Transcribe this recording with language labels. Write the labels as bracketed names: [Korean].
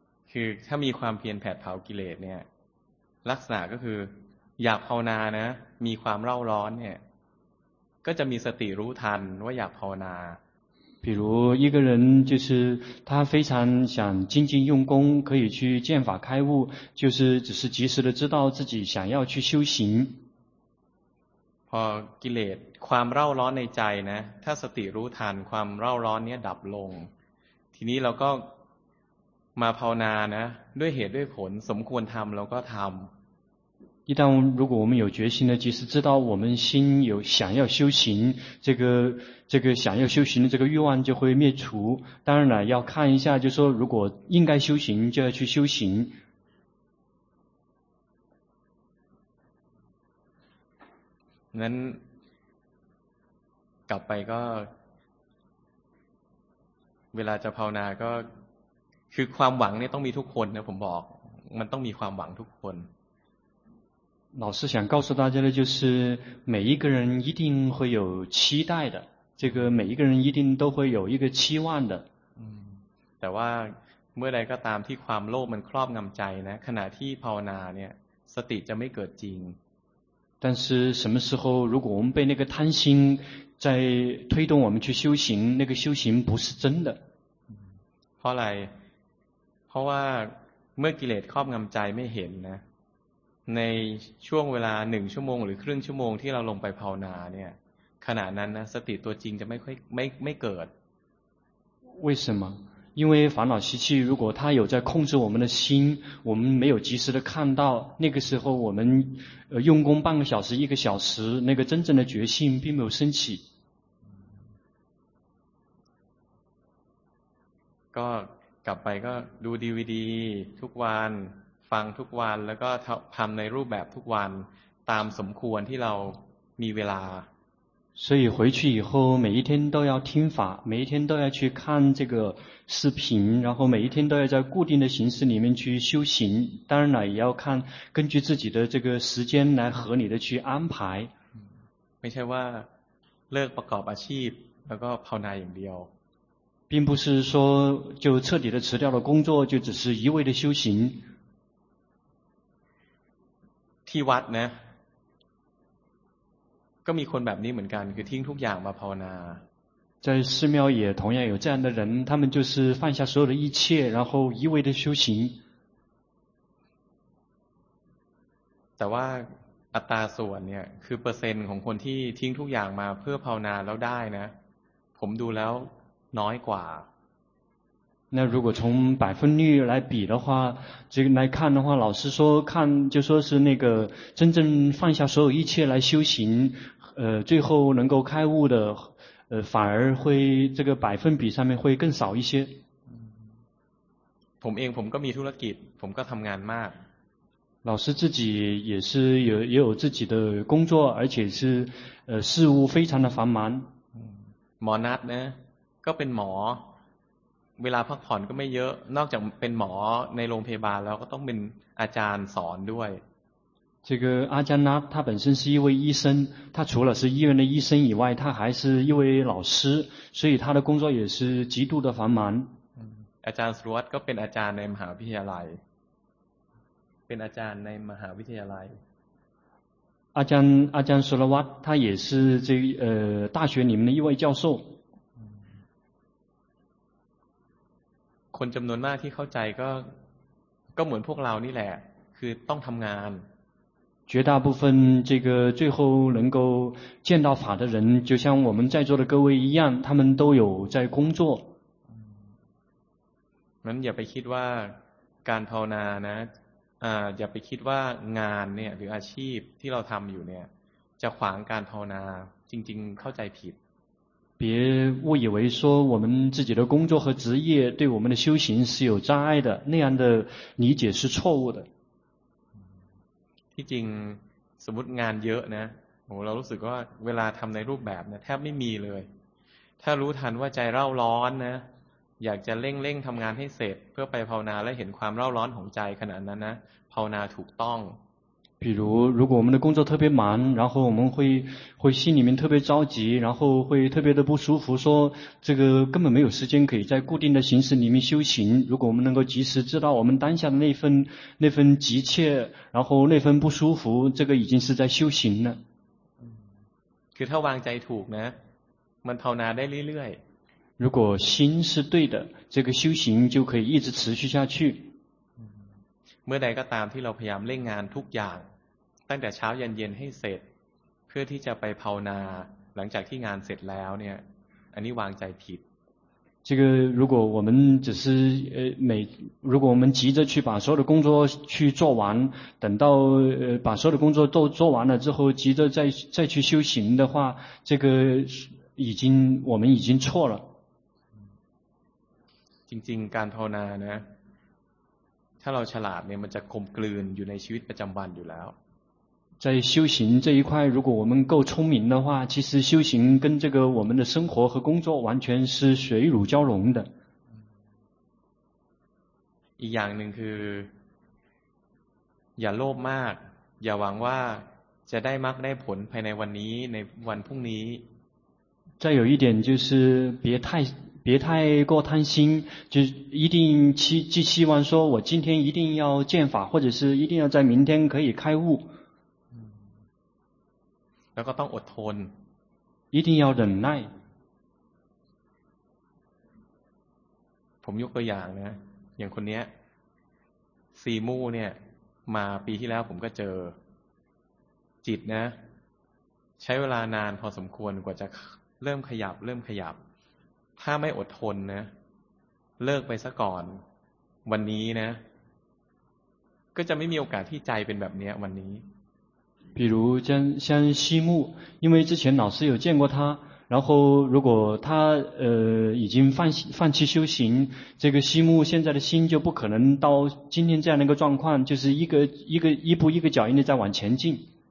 [Thai] คือถ้ามีความเพียรแผดเผากิเลสเนี่ยลักษณะก็คืออยากภาวนานะมีความเร่าร้อนเนี่ยก็จะมีสติรู้ทันว่าอยากภาวนา [Chinese] 比如一个人就是他非常想精进用功可以去见法开悟就是只是及时的知道自己想要去修行 [Thai] พอกิเลสความเร่าร้อนในใจนะถ้าสติรู้ทันความเร่าร้อนเนี้ยดับลงทีนี้เราก็มาภาวนานะด้วยเหตุด้วยผลสมควรทำเราก็ทำ [Chinese] 一旦如果我们有决心的及时知道我们心有想要修行这个想要修行的这个欲望就会灭除当然了要看一下就是说如果应该修行就要去修行 [Thai] 那กลับไปก็เวลาจะภาวนาก็คือความหวังเนี่ยต้องมีทุกคนนะผมบอกมันต้องมีความหวังทุกคน [Chinese] 老师想告诉大家的就是每一个人一定会有期待的这个每一个人一定都会有一个期望的 [Thai] แต่ว่าเมื่อใดก็ตามที่ความโลภมันครอบงำใจนะขณะที่ภาวนาเนี่ยสติจะไม่เกิดจริง [Chinese] 但是什么时候如果我们被那个贪心在推动我们去修行那个修行不是真的 [Thai] เพราะอะไรเพราะว่าเมื่อกิเลสครอบงำใจไม่เห็นนะในช่วงเวลา1ชั่วโมงหรือครึ่งชั่วโมงที่เราลงไปภาวนาเนี่ยขณะนั้นนะสติตัวจริงจะไม่ค่อยไม่เกิด [Chinese] 为什么因为烦恼习气如果它有在控制我们的心我们没有及时的看到那个时候我们用功半个小时一个小时那个真正的决心并没有升起 [Thai] ก็กลับไปก็ดู DVD ทุกวันฟังทุกวันแล้วก็ทำในรูปแบบทุกวันตามสมควรที่เรามีเวลา [Chinese] 所以回去以后每一天都要听法每一天都要去看这个视频然后每一天都要在固定的形式里面去修行当然了也要看根据自己的这个时间来合理的去安排 [Thai] ไม่ใช่ว่าเลิกประกอบอาชีพแล้วก็ภาวนาอย่างเดียว [Chinese] 并不是说就彻底的辞掉了工作就只是一味的修行 [Thai] ที่วัดนะก็มีคนแบบนี้เหมือนกันคือทิ้งทุกอย่างมาภาวนา [Chinese] 在寺庙也同样有这样的人他们就是放下所有的一切然后一味的修行 [Thai] แต่ว่าอัตราส่วนเนี่ยคือเปอร์เซ็นต์ของคนที่ทิ้งทุกอย่างมาเพื่อภาวนาแล้วได้นะผมดูแล้วน้อยกว่า [Chinese] 那如果从百分率来比的话，这个来看的话，老师说看就说是那个真正放下所有一切来修行，最后能够开悟的，反而会这个百分比上面会更少一些。 [Thai] ผมเองผมก็มีธุรกิจผมก็ทำงานมาก。 [Chinese] 老师自己也是也有自己的工作，而且是事务非常的繁忙。 [Thai] หมอนัทนะก็เป็นหมอเวลาพักผ่อนก็ไม่เยอะนอกจากเป็นหมอในโรงพยาบาลแล้วก็ต้องเป็นอาจารย์สอนด้วย [Chinese] 这个阿加纳他本身是一位医生他除了是医院的医生以外他还是一位老师所以他的工作也是极度的繁忙 [Thai] อาจารย์สุรวัฒน์ก็เป็นอาจารย์ในมหาวิทยาลัยเป็นอาจารย์ในมหาวิทยาลัย [Chinese] อาจารย์สุรวัฒน์他也是这个大学里面的一位教授 [Thai] คนจำนวนมากที่เข้าใจก็เหมือนพวกเรานี่แหละคือต้องทำงาน [Chinese] 绝大部分这个最后能够见到法的人就像我们在座的各位一样他们都有在工作 [Thai] นั้นอย่าไปคิดว่าการภาวนานะอย่าไปคิดว่างานเนี่ยหรืออาชีพที่เราทำอยู่เนี่ยจะขวางการภาวนาจริงๆเข้าใจผิด [Chinese] 别误以为说我们自己的工作和职业对我们的修行是有障碍的，那样的理解是错误的。 [Thai] ที่จริงสมมติงานเยอะนะผมเรารู้สึกว่าเวลาทำในรูปแบบเนี่ยแทบไม่มีเลยถ้ารู้ทันว่าใจเร่าร้อนนะอยากจะเร่งทำงานให้เสร็จเพื่อไปภาวนาและเห็นความเร่าร้อนของใจขณะนั้นนะภาวนาถูกต้อง [Chinese] 比如果我们的工作特别忙然后我们会心里面特别着急然后会特别的不舒服说这个根本没有时间可以在固定的形式里面修行如果我们能够及时知道我们当下的那份急切然后那份不舒服这个已经是在修行了 [Thai] คือถ้าวางใจถูกนะมันภาวนาได้เรื่อย [Chinese] ๆ如果心是对的这个修行就可以一直持续下去 [Thai] เมื่อใดก็ตามที่เราพยายามเร่งงานทุกอย่างตั้งแต่เช้ายันเย็นให้เสร็จเพื่อที่จะไปภาวนาหลังจากที่งานเสร็จแล้วเนี่ยอันนี้วางใจผิด [Chinese] 这个如果我们只是每如果我们急着去把所有的工作去做完等到把所有的工作都做完了之后急着再去修行的话这个我们已经错了 [Thai] จริงๆการภาวนานะถ้าเราฉลาดเนี่ยมันจะคมกลืนอยู่ในชีวิตประจำวันอยู่แล้ว [Chinese] 在修行这一块如果我们够聪明的话其实修行跟这个我们的生活和工作完全是水乳交融的 [Thai] อีกอย่างหนึ่งคืออย่าโลภมากอย่าหวังว่าจะได้มรรคได้ผลภายในวันนี้ในวันพรุ่งนี้ [Chinese] 再有一点就是别太过贪心就一定希望说我今天一定要见法或者是一定要在明天可以开悟 [Thai] แล้วก็ต้องอดทน [Chinese] 一定要忍耐 [Thai] ผมยกตัวอย่างนะอย่างคนเนี้ยซีมู่เนี่ยมาปีที่แล้วผมก็เจอจิตนะใช้เวลานานพอสมควรกว่าจะเริ่มขยับถ้าไม่อดทนนะเลิกไปซะก่อนวันนี้นะก็จะไม่มีโอกาสที่ใจเป็นแบบนี้วันนี้ [Chinese] 比如像西木因为之前老师有见过他然后如果他已经放弃修行这个西木现在的心就不可能到今天这样的一个状况就是一步一个脚印的在往前进